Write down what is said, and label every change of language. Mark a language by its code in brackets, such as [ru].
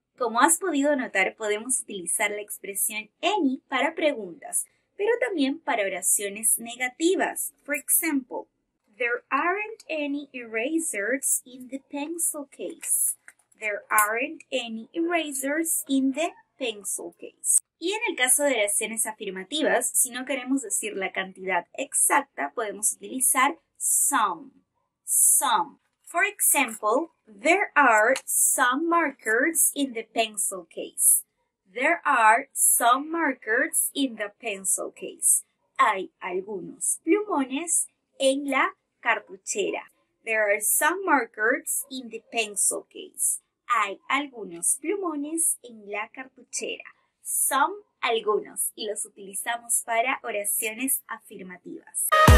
[es] Como has podido notar, podemos utilizar la expresión any para preguntas, pero también para oraciones negativas. [en] For example, there aren't any erasers in the pencil case. There aren't any erasers in the pencil case. [es] Y en el caso de oraciones afirmativas, si no queremos decir la cantidad exacta, podemos utilizar some. [en] Some. For example, there are some markers in the pencil case. There are some markers in the pencil case. [es] Hay algunos plumones en la cartuchera. [en] There are some markers in the pencil case. [es] Hay algunos plumones en la cartuchera. Son algunos y los utilizamos para oraciones afirmativas.